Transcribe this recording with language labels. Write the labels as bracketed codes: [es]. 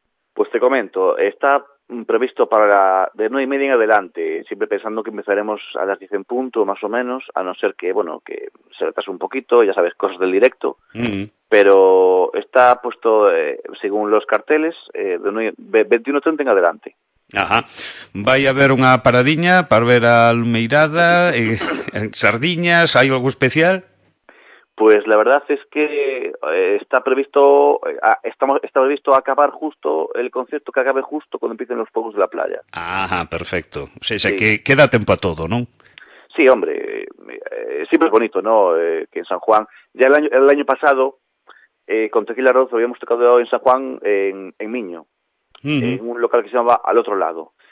[es] Pois te comento, está previsto para de 9:30 en adelante, sempre pensando que empezaremos a las 10 en punto, más o menos, [gl] a non ser que, [es] bueno, que se retrase un poquito, ya sabes, cosas del directo. Pero está puesto, según los carteles, de 21:30 en adelante. Ajá. [gl] Vai haber unha paradiña para ver a almeirada, sardiñas, hai algo especial? [es] Pues la verdad es que está previsto acabar justo el concierto, que acabe justo cuando empiecen los fuegos de la playa. Ajá, perfecto. O sea, sí. Que queda tiempo a todo, ¿no? Sí, hombre, siempre es bonito, ¿no? Que en San Juan, ya el año pasado, con Tequila Rosa habíamos tocado en San Juan en Miño, en un local que se llamaba Al Otro Lado.